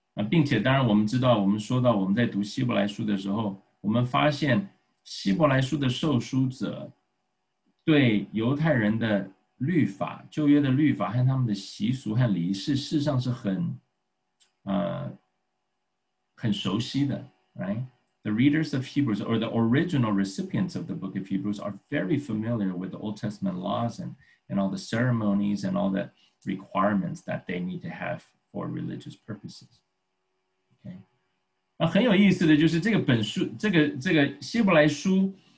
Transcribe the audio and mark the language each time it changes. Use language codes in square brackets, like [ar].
[zh] 并且当然我们知道，我们说到我们在读希伯来书的时候，我们发现希伯来书的受书者对犹太人的律法，旧约的律法和他们的习俗和礼仪，事实上是很熟悉的 ， [en] right? The readers of Hebrews or the original recipients of the book of Hebrews are very familiar with the Old Testament laws and all the ceremonies and all the requirements that they need to have for religious purposes. [zh] Okay, 很有意思的就是这个本书，这个希伯来书。